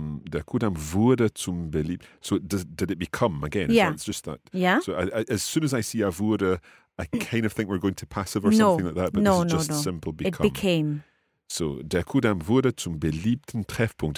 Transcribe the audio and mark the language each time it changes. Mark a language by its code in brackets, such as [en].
[de] Der Kuhdamm wurde zum beliebt. [en] So did it become, again? Yeah. It's just that. Yeah. So as soon as I see a wurde, I kind of think we're going to passive or something like that. But no, this is just no. simple become. It became. [de] So der Kuhdamm wurde zum beliebten Treffpunkt.